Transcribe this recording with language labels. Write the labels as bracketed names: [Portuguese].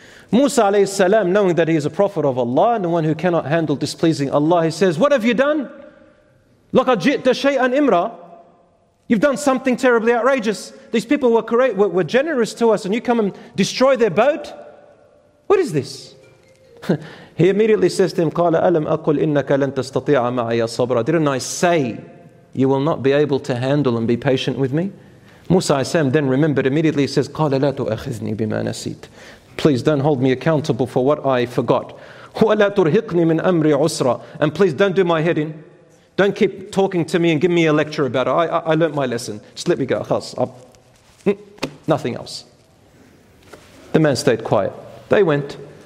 [English] Musa alayhi salam, knowing that he is a prophet of Allah and the one who cannot handle displeasing Allah, he says, what have you done? [Arabic] لَقَدْ جِئْتَ شَيْئًا إِمْرًا. [English] You've done something terribly outrageous. These people were great, were generous to us, and you come and destroy their boat? What is this? He immediately says to him, [Arabic] قَالَ أَلَمْ أَقُلْ إِنَّكَ لَن تَسْتَطِيعَ مَعَيَا صَبْرًا. [English] Didn't I say you will not be able to handle and be patient with me? Musa Isam then remembered immediately. He says, [Arabic] قَالَ لَا تُؤَخِذْنِي بِمَا نَسِيتْ. [English] Please don't hold me accountable for what I forgot. [Arabic] وَلَا تُرْهِقْنِي مِنْ أَمْرِ عُسْرًا. [English] And please don't do my head in. Don't keep talking to me and give me a lecture about it. I learned my lesson. Just let me go. خلاص. Nothing else. The man stayed quiet. They went.